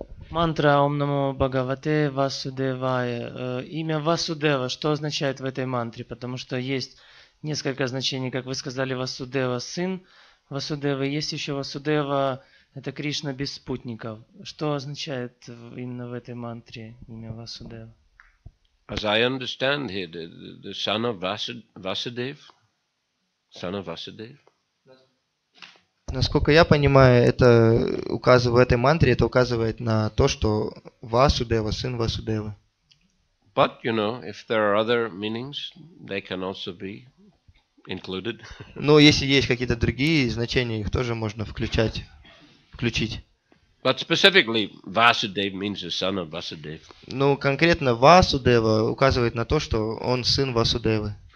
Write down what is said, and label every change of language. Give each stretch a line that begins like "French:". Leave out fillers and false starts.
Russian: Мантра Ом Намо Бхагавате Васудевая. Имя Васудева, что означает в этой мантре? Потому что есть несколько значений, как вы сказали, Васудева – сын Васудева. Есть еще Васудева – это Кришна без спутников. Что означает именно в этой мантре имя Васудева?
English: As I understand here, the son of Vasudev, son of Vasudev.
Russian: Насколько я понимаю, это указывает в этой мантре, это указывает на то, что Васудева, сын Васудева.
English: But you know, if there are other meanings, they can also be included.
Russian: Но если есть какие-то другие значения, их тоже можно включить.
English: But specifically, Vasudev means the son of Vasudev.
Russian: Но конкретно Васудева указывает на то, что он сын Васудевы.